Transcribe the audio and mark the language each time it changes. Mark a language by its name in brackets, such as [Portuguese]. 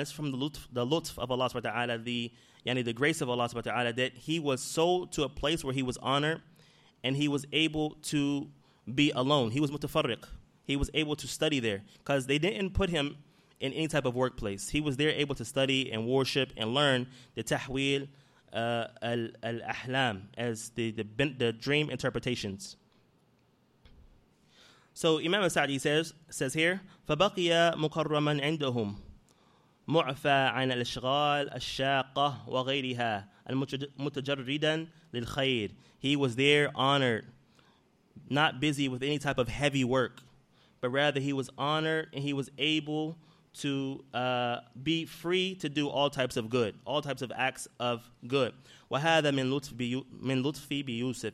[English] It's from the lutf of Allah subhanahu wa ta'ala, the grace of Allah subhanahu wa ta'ala, that he was sold to a place where he was honored, and he was able to be alone. He was mutafarriq. He was able to study there, because they didn't put him in any type of workplace. He was there able to study and worship and learn the tahwil al-ahlam, as the dream interpretations. So Imam Sa'di says here, [Arabic] فَبَقِيَ مُقَرَّمًا عِنْدَهُمْ مُعْفَى عَنَ الْأَشْغَالِ الشَّاقَةِ وَغَيْرِهَا الْمُتَجَرِّدًا لِلْخَيْرِ. [English] He was there honored, not busy with any type of heavy work, but rather he was honored and he was able to be free to do all types of good, all types of acts of good. [Arabic] وَهَذَا مِنْ لُطْفِ بِيُوسِفِ.